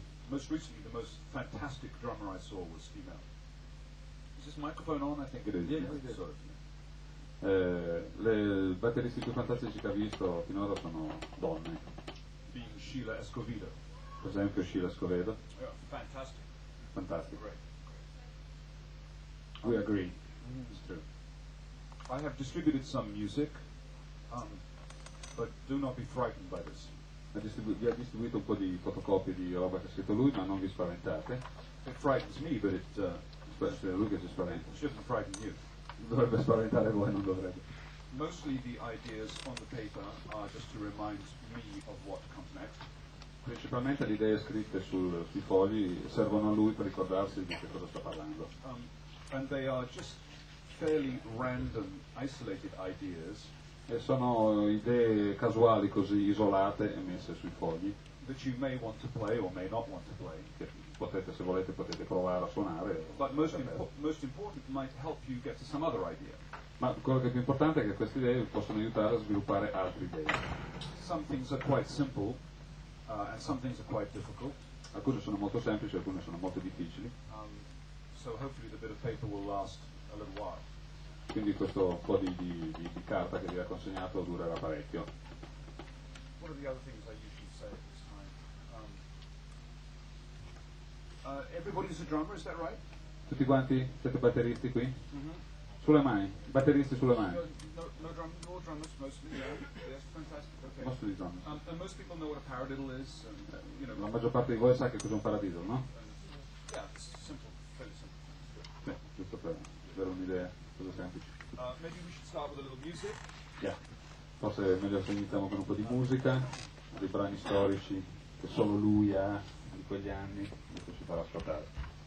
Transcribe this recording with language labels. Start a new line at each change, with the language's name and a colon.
English: Most recently, the most fantastic drummer I saw was female. Is this microphone on? I think it is. Yeah, it is.
Italian: Le batteristi più fantastici che ha visto finora sono donne.
English: Being Sheila Escovedo.
Italian: Per esempio Sheila Escovedo.
English: Yeah, fantastic. Fantastic. Great. We agree. Mm-hmm. It's true. I have distributed some music, but do not be frightened by this.
Italian: Vi ha distribuito un po' di fotocopie di roba che ha scritto lui, ma non vi spaventate.
English: It frightens me, but it
Italian: lui che si spaventa.
English: Shouldn't frighten you.
Italian: dovrebbe spaventare voi, non dovrebbe.
English: Mostly the ideas on the paper are just to remind me of what comes next.
Italian: Principalmente le idee scritte sui fogli servono a lui per ricordarsi di che cosa sta parlando.
English: And they are just fairly random, isolated ideas.
Italian: E sono idee casuali, così isolate, e messe sui fogli.
English: That you may want to play or may not want to play.
Italian: Che potete, se volete, potete provare a suonare.
English: But most important might help you get to some other idea.
Italian: Ma quello che è più importante è che queste idee possono aiutare a sviluppare altre idee.
English: Some things are quite simple, and some things are quite difficult.
Italian: Alcune sono molto semplici, alcune sono molto difficili.
English: So hopefully the bit of paper will last a little while.
Italian: Quindi questo po' di carta che vi ha consegnato durerà parecchio.
English: What are the other things I usually say at this time? Everybody's a drummer, is that right?
Italian: Tutti quanti siete batteristi qui? Mm-hmm. Sulle mani, batteristi sulle mani.
English: No drummers mostly, yeah. Yes, fantastic. Okay. Mostly drummers. And most people know what a paradiddle is. You know,
Italian: la maggior parte di voi sa che cos'è un paradiddle, no?
English: Yeah, it's simple, fairly simple.
Italian: Beh, giusto per avere un'idea.
English: Maybe we should start with a little music. Yeah.
Italian: Forse è meglio se iniziamo con un po' di musica, dei brani storici che solo lui ha di quegli anni, e poi si farà ascoltare.